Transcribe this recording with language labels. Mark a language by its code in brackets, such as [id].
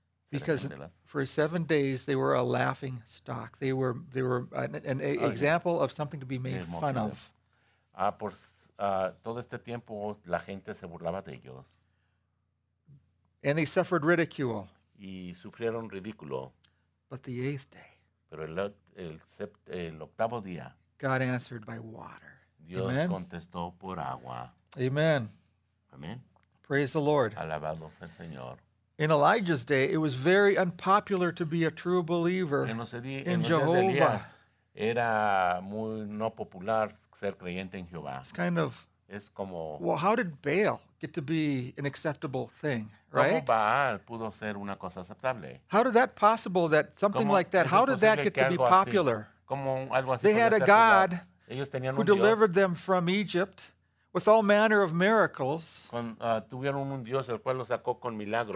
[en] Because for 7 days, they were a laughing stock. They were an ay, example of something to be made fun of. [es] Ah, por todo este tiempo, la gente se burlaba de ellos. [en] And they suffered ridicule. [es] Y sufrieron ridículo. [en] But the eighth day, [es] pero el octavo día, [en] God answered by water. [es] Dios [en] amen. [es] Contestó por agua. [en] Amen. Amen. Praise the Lord. [es] Alabado sea el Señor. [en] In Elijah's day, it was very unpopular to be a true believer in Jehovah. [es] Era muy no popular ser creyente en Jehová. [en] It's kind of, [es] es como, [en] well, how did Baal get to be an acceptable thing, right? [es] ¿Cómo Baal pudo ser una cosa aceptable? [en] How did that possible that something [es] ¿cómo [en] like that, how did that get to be popular? [es] Así, como algo así [en] they had a God [es] ellos tenían un [en] who delivered [es] Dios. [en] Them from Egypt with all manner of miracles. [es] Con, tuvieron un Dios el cual lo sacó con milagros.